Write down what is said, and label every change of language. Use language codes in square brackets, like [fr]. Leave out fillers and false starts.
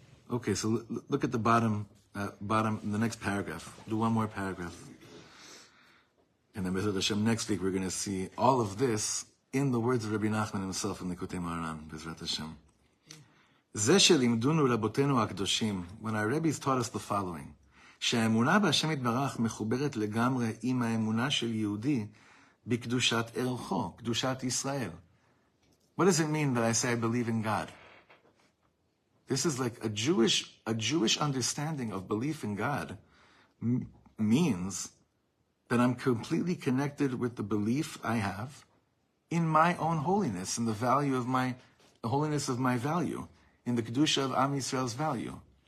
[en] Okay, so look at the bottom, the next paragraph. Do one more paragraph. And then Bezrat Hashem, next week we're going to see all of this in the words of Rabbi Nachman himself in the Likutei Moharan, Bezrat Hashem. [he] Ze shelimdunu rabotenu hakdoshim, [en] when our rabbis taught us the following, [he] שהאמונה בהשם יתברך מחוברת לגמרי עם האמונה של יהודי בקדושת ערכו, קדושת ישראל. [en] What does it mean that I say I believe in God? This is like a Jewish understanding of belief in God means that I'm completely connected with the belief I have in my own holiness and the value of my, the holiness of my value, in the kedusha of Am Yisrael's value.